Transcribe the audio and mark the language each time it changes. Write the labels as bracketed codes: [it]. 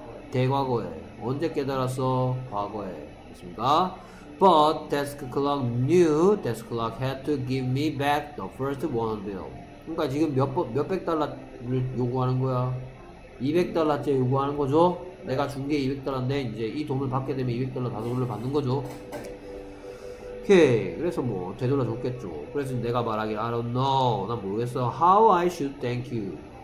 [ko] 대과거에 언제 깨달았어? 과거에 있습니까? [en] But desk clerk knew desk clerk had to give me back the first one bill. [ko] 그러니까 지금 몇백 달러를 요구하는 거야? 200달러째 요구하는 거죠? 내가 준게 200달러인데 이제 이 돈을 받게 되면 200달러 다 돈을 받는 거죠? 오케이. 그래서 뭐 되돌아줬겠죠. 그래서 내가 말하기 [en] I don't know. [ko] 난 모르겠어. [en] How I should thank you.